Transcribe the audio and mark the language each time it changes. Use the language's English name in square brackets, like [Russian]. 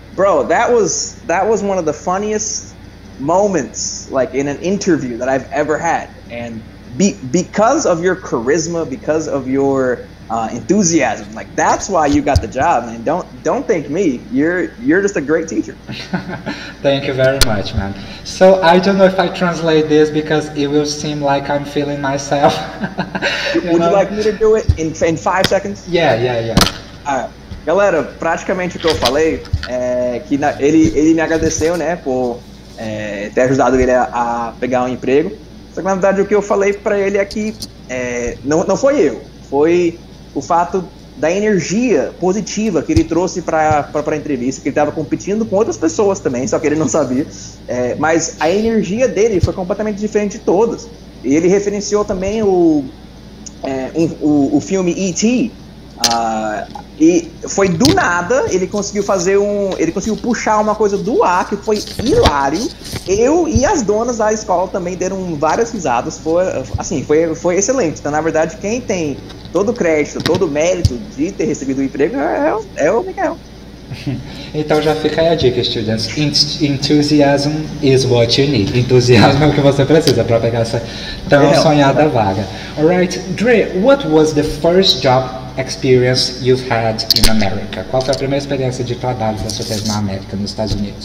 [English] Bro, that was one of the funniest moments, like in an interview that I've ever had, and because of your charisma, because of your enthusiasm, like that's why you got the job, man. Don't thank me. You're just a great teacher. Thank you very much, man. So I don't know if I translate this because it will seem like I'm feeling myself. Would you like me to do it in 5 seconds? Yeah. [Portuguese] Galera, praticamente o que eu falei é que ele me agradeceu, né, por ter ajudado ele a pegar um emprego. Só que na verdade o que eu falei pra ele é que não foi eu, foi o fato da energia positiva que ele trouxe pra entrevista, que ele tava competindo com outras pessoas também, só que ele não sabia. Mas a energia dele foi completamente diferente de todas. E ele referenciou também o filme E.T., e foi do nada, ele conseguiu fazer ele conseguiu puxar uma coisa do ar, que foi hilário. Eu e as donas da escola também deram várias risadas, foi excelente. Então, na verdade, quem tem todo o crédito, todo o mérito de ter recebido o emprego é o Miguel. Então já fica aí a dica, students. [English] Enthusiasm is what you need. [Portuguese] Enthusiasmo é o que você precisa para pegar essa tão sonhada vaga. [English] Alright, Dre, what was the first job experience you've had in America? [Portuguese] Qual foi a primeira experiência de trabalho que você teve na América, nos Estados Unidos?